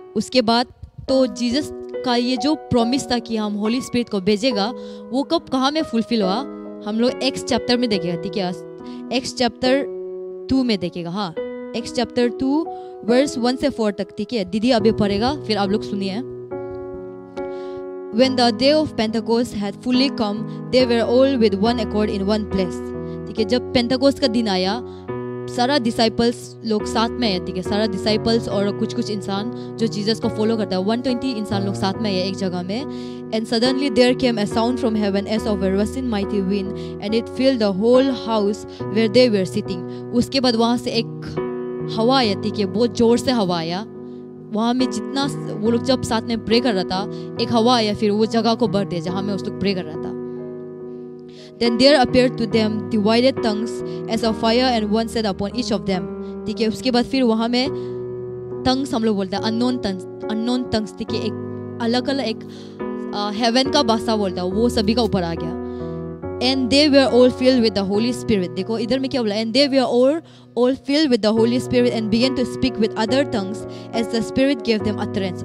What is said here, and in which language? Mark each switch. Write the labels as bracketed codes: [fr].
[hi] उसके बाद तो जीसस का ये जो प्रॉमिस था कि हम होली स्पिरिट को भेजेगा, वो कब कहाँ में फुलफिल हुआ, हम लोग एक्स चैप्टर में देखेगा. ठीक है, एक्स चैप्टर 2 में देखेगा. हाँ, एक्स चैप्टर 2 वर्स 1 से 4 तक. ठीक है, दीदी अभी पढ़ेगा, फिर आप लोग सुनिए. [en] When the day of Pentecost had fully come, they were all with one accord in one place. [hi] ठीक है, जब पेंटेकोस्ट का दिन आया, सारा डिसाइपल्स लोग साथ में आए. ठीक है, सारा डिसाइपल्स और कुछ इंसान जो जीसस को फॉलो करता है, 120 इंसान लोग साथ में आए एक जगह में. [en] And suddenly there came a sound from heaven as of a rushing mighty wind, and it filled the whole house where they were sitting. [hi] उसके बाद वहाँ से एक हवा आया. ठीक है, बहुत जोर से हवा आया. वहाँ में जितना वो लोग जब साथ में प्रे कर रहा था, एक हवा आया, फिर वो जगह को भर दे जहाँ में उस लोग प्रे कर रहा था. [en] Then there appeared to them divided tongues as of fire, and one set upon each of them. [hi] ठीक है, उसके बाद फिर वहाँ में tongues हम लोग बोलते हैं unknown tongues. ठीक है, एक अलग अलग एक हेवन का भाषा बोलता है, वो सभी का ऊपर आ गया. [en] And they were all filled with the holy spirit. [hi] देखो इधर में क्या बोला, [en] And they were all filled with the holy spirit and began to speak with other tongues as the spirit gave them utterance.